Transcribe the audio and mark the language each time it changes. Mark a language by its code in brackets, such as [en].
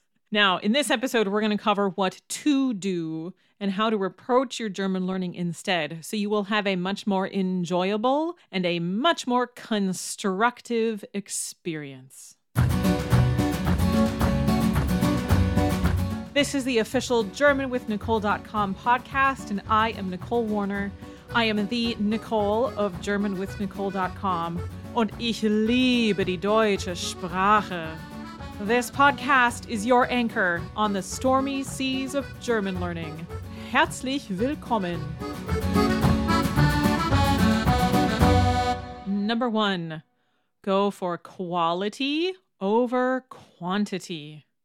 [en] Now, in this episode, we're going to cover what to do and how to approach your German learning instead, so you will have a much more enjoyable and a much more constructive experience. This is the official GermanWithNicole.com podcast, and I am Nicole Warner. I am the Nicole of GermanWithNicole.com, [de] und ich liebe die deutsche Sprache. [en] This podcast is your anchor on the stormy seas of German learning. [de] Herzlich willkommen. [en] Number one, go for quality over quantity.